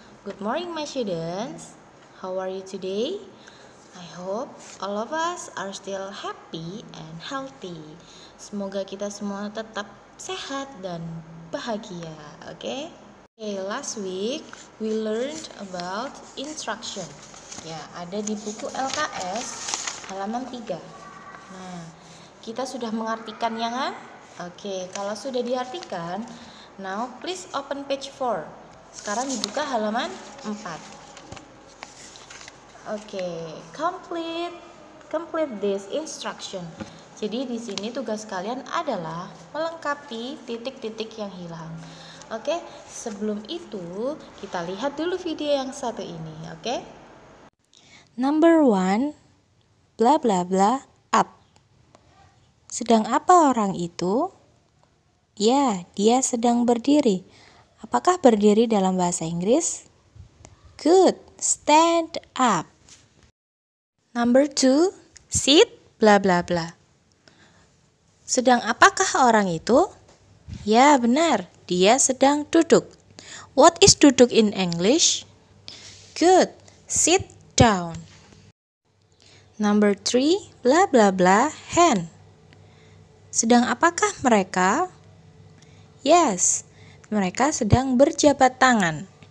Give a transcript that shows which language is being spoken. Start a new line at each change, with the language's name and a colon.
English: Good morning my students. How are you today? I hope all of us are still happy and healthy.
Indonesian: Semoga kita semua tetap sehat dan bahagia, okay?
English: Okay, last week we learned about instruction.
Indonesian: Ya, ada di buku LKS halaman 3. Nah, kita sudah mengartikan ya kan?
English: Okay,
Indonesian: kalau sudah diartikan,
English: now please open page 4.
Indonesian: Sekarang dibuka halaman 4.
English: Okay, complete this instruction.
Indonesian: Jadi di sini tugas kalian adalah melengkapi titik-titik yang hilang. Okay, sebelum itu kita lihat dulu video yang satu ini. Okay?
English: Number 1, bla bla bla, up.
Indonesian: Sedang apa orang itu? Ya, dia sedang berdiri. Apakah berdiri dalam bahasa Inggris?
English: Good, stand up. Number 2, sit,
Indonesian: bla bla bla. Sedang apakah orang itu? Ya, benar, dia sedang duduk.
English: What is duduk in English? Good, sit down. Number 3, bla bla bla, hand.
Indonesian: Sedang apakah mereka? Yes, mereka sedang berjabat tangan.